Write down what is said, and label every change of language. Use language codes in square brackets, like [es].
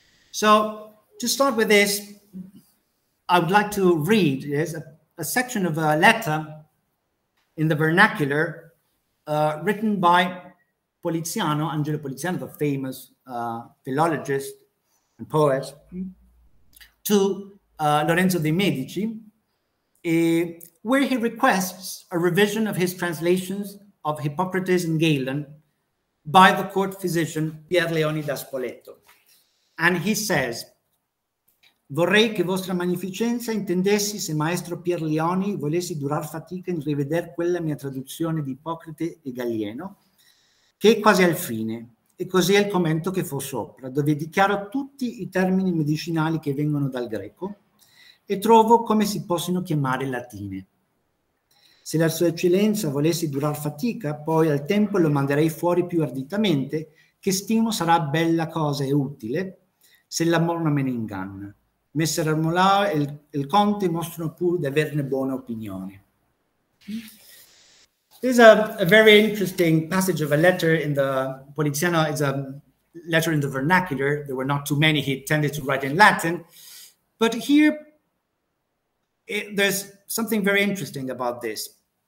[en] So to start with this, I would like to read a section of a letter in the vernacular, written by Poliziano, Angelo Poliziano, the famous philologist and poet, to Lorenzo de' Medici, where he requests a revision of his translations of Hippocrates and Galen by the court physician Pier Leoni da Spoleto. And he says, [it] vorrei che vostra magnificenza intendessi se maestro Pier Leoni volessi durar fatica in riveder quella mia traduzione di Ippocrate e Galieno, che è quasi al fine, e così è il commento che fo sopra, dove dichiaro tutti i termini medicinali che vengono dal greco e trovo come si possono chiamare latine. Se la sua eccellenza volessi durar fatica, poi al tempo lo manderei fuori più arditamente, che stimo sarà bella cosa e utile se l'amor non me ne inganna. Messer Armolao e il Conte mostrano pure di averne buona opinione. [en] This is a very interesting passage of a letter in the Poliziano. Is a letter in the vernacular. There were not too many. He tended to write in Latin. But here, there's something very interesting about this.